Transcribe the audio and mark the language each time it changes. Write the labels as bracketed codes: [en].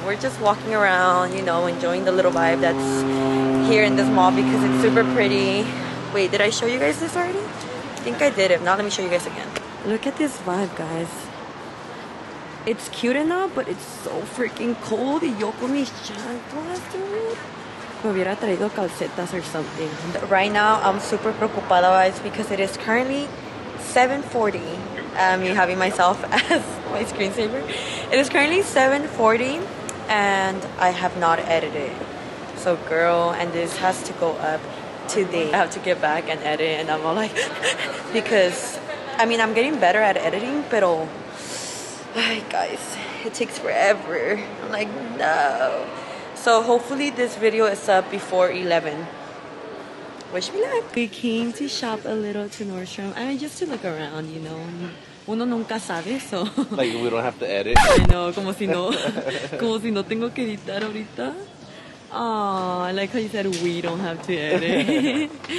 [en] We're just walking around, you know, enjoying the little vibe that's here in this mall because it's super pretty. Wait, did I show you guys this already? I think I did. If not, let me show you guys again. Look at this vibe, guys. It's cute enough, but it's so freaking cold. [es] Yo con mis chanclas, dude. [en] Or something. Right now I'm super [es] preocupada [en] guys because it is currently 7:40. Me having myself as my screensaver. It is currently 7:40 and I have not edited. So girl, and this has to go up today. I have to get back and edit and I'm all like because I mean I'm getting better at editing, but guys, it takes forever. I'm like, no. So hopefully this video is up before 11. Wish me luck. We came to shop a little to Nordstrom. I mean, just to look around, you know. [es] Uno nunca sabe, so. [en] Like, we don't have to edit. I know, [es] como si no. Como si no tengo que editar ahorita. [en] Oh, I like how you said we don't have to edit.